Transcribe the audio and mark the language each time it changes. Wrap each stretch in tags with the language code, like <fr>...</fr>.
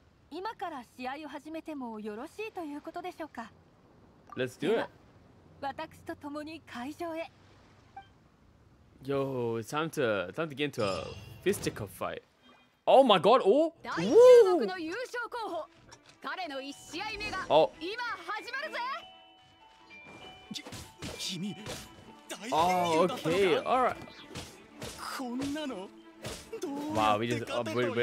<ja>今から試合を始めてもよろしいということでしょうか。</ja> <en>Let's do it.</en> <ja>私と共に会場へ。</ja> <en>Yo, it's time to get into a fisticuff fight. Oh my god, oh!</en> <ja>大注目の優勝候補、彼の一試合目が今始まるぜ。君、</ja> <en>oh, okay, alright.</en> <ja>こんなの、どうやって勝てというんだ。</ja>